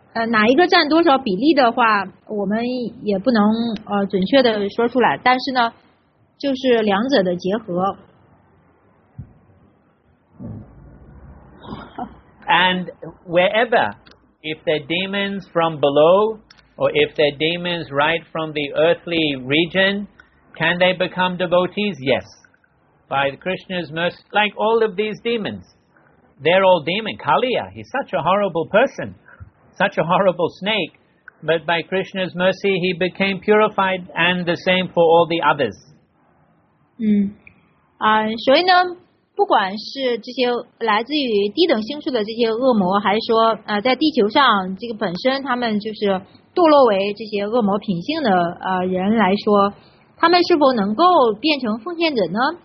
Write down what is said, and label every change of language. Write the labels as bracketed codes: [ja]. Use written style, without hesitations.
[zh] 哪一个占多少比例的话，我们也不能准确的说出来，但是呢，就是两者的结合。 [en] And wherever, if they're demons from below, or if they're demons right from the earthly region, can they become devotees? Yes. By Krishna's mercy, like all of these demons, they're all demon. Kaliya, he's such a horrible person, such a horrible snake. But by Krishna's mercy, he became purified, and the same for all the others. [zh] 所以呢，不管是这些来自于低等星宿的这些恶魔，还是说在地球上这个本身他们就是堕落为这些恶魔品性的人来说，他们是否能够变成奉献者呢？